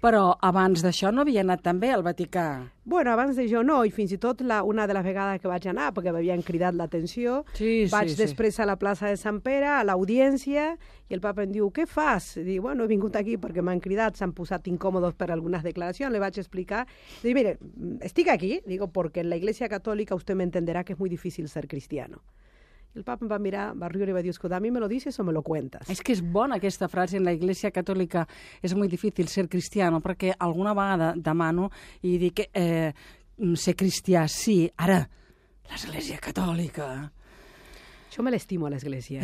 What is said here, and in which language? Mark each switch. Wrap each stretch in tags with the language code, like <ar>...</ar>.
<ca>Però abans d'això no havia anat tan bé al Vaticà? Bueno, abans d'això no, i fins i tot una de les vegades que vaig anar, perquè m'havien cridat l'atenció, vaig després a la plaça de Sant Pere, a l'audiència, i el papa em diu, què fas? I diu, bueno, he vingut aquí perquè m'han cridat, s'han posat incòmodos per algunes declaracions, li vaig explicar.</ca> <es>Diu, mire,</es> <ca>estic aquí,</ca> <es>digo, porque en la Iglesia Católica usted me entenderá que es muy difícil ser cristiano.</es> <ca>El papa em va mirar, va riure i va dir, escolta,</ca> <es>a mi me lo dices o me lo cuentas?</es> <ca>És que és bona aquesta frase, en la Iglesia Catòlica és molt difícil ser cristiano, perquè alguna vegada demano i dic, ser cristià, sí, ara, l'Església Catòlica... Jo me l'estimo a l'Església.</ca>